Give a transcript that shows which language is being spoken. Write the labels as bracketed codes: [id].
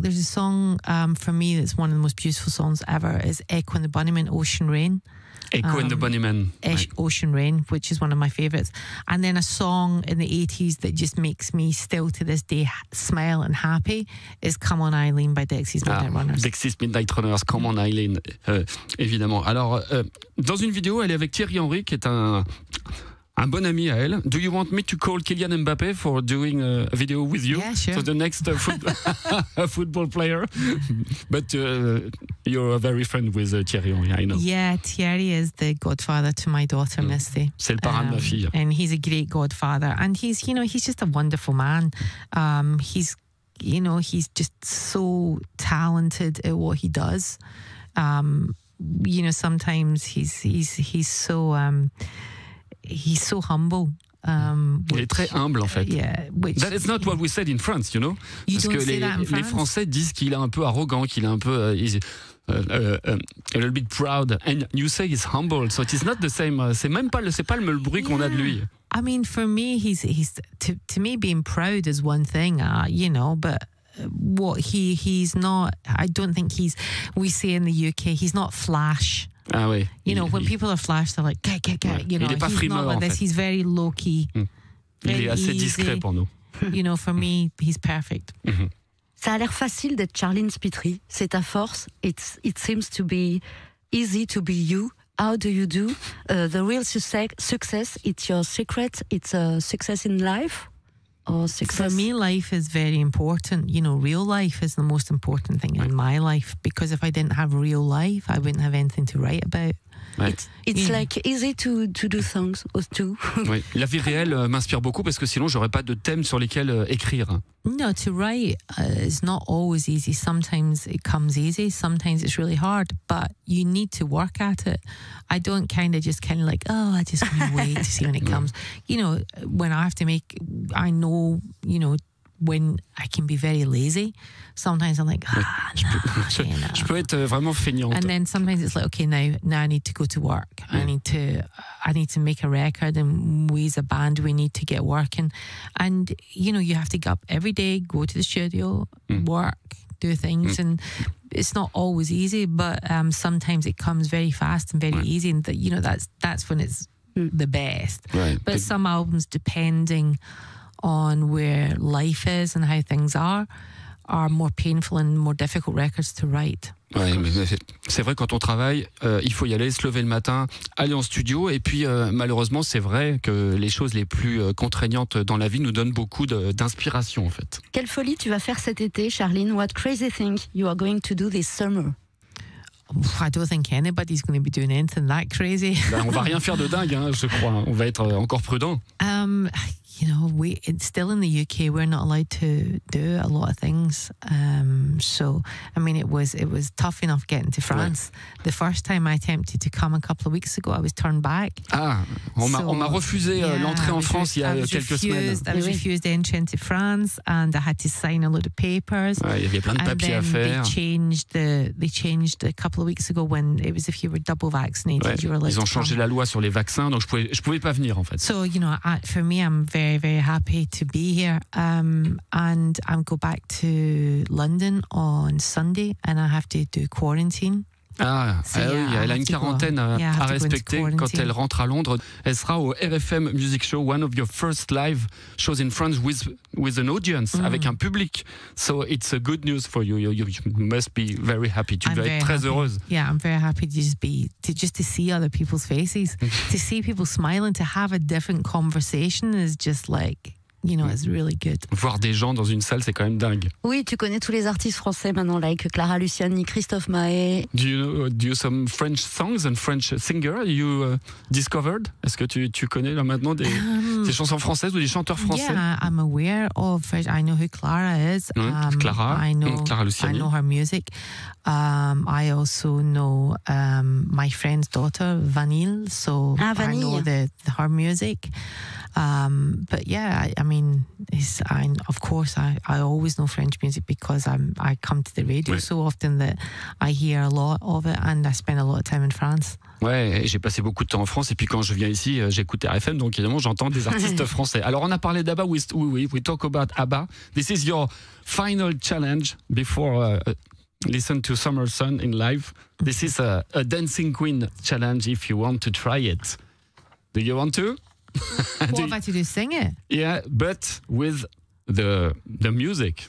[en] There's a song for me that's one of the most beautiful songs ever. Is Echo and the Bunnymen, Ocean Rain. Echo and the Bunnymen, Ocean Rain, which is one of my favorites. And then a song in the 80s that just makes me still to this day smile and happy is Come on Eileen by Dixie's Midnight Runners. Dixie's Midnight Runners, Come on Eileen, [fr] évidemment. Alors, dans une vidéo, elle est avec Thierry Henry, qui est un bon ami à elle. [en] Do you want me to call Kylian Mbappé for doing a video with you? Yeah, sure. For the next football player. But you're a very friend with Thierry Henry, I know. Yeah, Thierry is the godfather to my daughter, Misty. [fr] C'est le parrain de ma fille. [en] And he's a great godfather. And he's, you know, he's just a wonderful man. He's, you know, he's just so talented at what he does. You know, sometimes he's so... he's so humble. [fr] Il est très humble en fait. [en] Yeah, which, that is not what we said in France, you know. You [fr] parce [en] don't [fr] que [en] say that in France? [fr] Les Français disent qu'il est un peu arrogant, qu'il est un peu [en] a little bit proud. And you say he's humble, so it is not the same. [fr] C'est même pas le bruit qu'on a de lui. [en] I mean, for me, he's to me being proud is one thing, you know. But what he's not. I don't think he's. We say in the UK, he's not flash. [fr] Ah oui. [en] You know, when people are flash, they're like, get, get, get. [fr] Il n'est pas frimeur, [en] like [fr] en fait. [en] He's very low-key. [fr] Il est assez discret pour nous. [en] You know, for me, he's perfect. [fr] Ça a l'air facile d'être Charlene Spitry. C'est ta force. [en] It seems to be easy to be you. How do you do? The real success, it's your secret. It's a success in life. For me, life is very important. You know, real life is the most important thing in my life, because if I didn't have real life, I wouldn't have anything to write about. It's like easy to do songs or two. [fr] Oui. La vie réelle m'inspire beaucoup parce que sinon j'aurais pas de thème sur lesquels écrire. [en] No, to write is not always easy. Sometimes it comes easy, sometimes it's really hard, but you need to work at it. I don't kind of just kind of like, oh, I just can't wait to see when it comes. You know, when I have to make, I know, you know, when I can be very lazy. Sometimes I'm like, [fr] je peux être vraiment feignante. [en] And then sometimes it's like, okay, now I need to go to work. I need to make a record, and we as a band, we need to get working. And, you know, you have to get up every day, go to the studio, work, do things. And it's not always easy, but sometimes it comes very fast and very easy. And, you know, that's when it's the best. But some albums, depending on where life is and how things are more painful and more difficult records to write. [fr] Ouais, mais c'est vrai, quand on travaille, il faut y aller, se lever le matin, aller en studio, et puis malheureusement, c'est vrai que les choses les plus contraignantes dans la vie nous donnent beaucoup d'inspiration, en fait. Quelle folie tu vas faire cet été, Charlene? [en] What crazy thing you are going to do this summer? I don't think anybody's going to be doing anything that crazy. [fr] Ben, on va rien faire de dingue, hein, je crois. On va être encore prudent. [en] You know, it's still in the UK. We're not allowed to do a lot of things. So, I mean, it was tough enough getting to France. The first time I attempted to come a couple of weeks ago, I was turned back. [fr] On m'a refusé l'entrée en France il y a quelques semaines. [en] I was refused entry into France, and I had to sign a load of papers. [fr] Il y avait plein de papiers à faire. [en] They changed a couple of weeks ago when it was if you were double vaccinated. [fr] Ouais. [en] You were allowed. [fr] Ils ont changé la loi sur les vaccins, donc je pouvais pas venir en fait. [en] So, you know, for me, I'm very, very happy to be here. And I'm go back to London on Sunday, and I have to do quarantine. [fr] Elle a une quarantaine à respecter quand elle rentre à Londres. Elle sera au RFM Music Show, [en] one of your first live shows in France with an audience, [fr] avec un public. [en] So it's a good news for you. You must be very happy. [fr] Tu dois être très heureuse. [en] Yeah, I'm very happy to see other people's faces, to see people smiling, to have a different conversation is just like, you know, it's really good. [fr] Voir des gens dans une salle, c'est quand même dingue. Oui, tu connais tous les artistes français maintenant, like Clara Luciani, Christophe Maé. [en] Do you some French songs and French singer you discovered? [fr] Est-ce que tu connais là maintenant des chansons françaises ou des chanteurs français? [en] Yeah, I'm aware of French. I know who Clara is. Clara. Clara Luciani. I know her music. I also know my friend's daughter, Vanille. Vanille. I know her music. But yeah, I mean, of course, I always know French music because I come to the radio ouais. so often that I hear a lot of it and I spend a lot of time in France. [fr] Ouais, j'ai passé beaucoup de temps en France et puis quand je viens ici, j'écoute RFM, donc évidemment, j'entends des artistes français. Alors, on a parlé d'ABBA. [en] We talk about ABBA. This is your final challenge before listen to Summer Sun in live. This is a Dancing Queen challenge if you want to try it. Do you want to? What about you to sing it? Yeah, but with the music.